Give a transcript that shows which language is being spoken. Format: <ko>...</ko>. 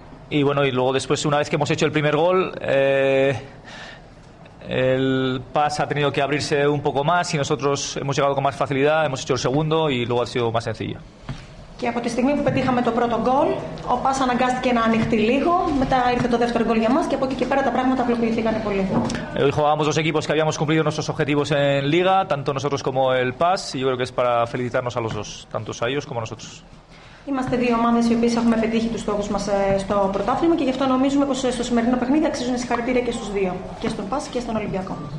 <es>Y bueno, y luego después, una vez que hemos hecho el primer gol, el pase ha tenido que abrirse un poco más y nosotros hemos llegado con más facilidad, hemos hecho el segundo y luego ha sido más sencillo.</es> <el>Και από τη στιγμή που πετύχαμε το πρώτο γκολ, ο Πας αναγκάστηκε να ανοιχτεί λίγο. Μετά ήρθε το δεύτερο γκολ για μας και από εκεί και πέρα τα πράγματα απλοποιήθηκαν πολύ.</el> <es>Hoy jugábamos dos equipos que habíamos cumplido nuestros objetivos en Liga, tanto nosotros como el Pas, y yo creo que es para felicitarnos a los dos, tanto a ellos como a nosotros.</es> <el>Είμαστε δύο ομάδες οι οποίες έχουμε πετύχει τους στόχους μας στο πρωτάθλημα και γι' αυτό νομίζουμε πως στο σημερινό παιχνίδι αξίζουν συγχαρητήρια και στους δύο, και στον Πας και στον Ολυμπιακό.</el>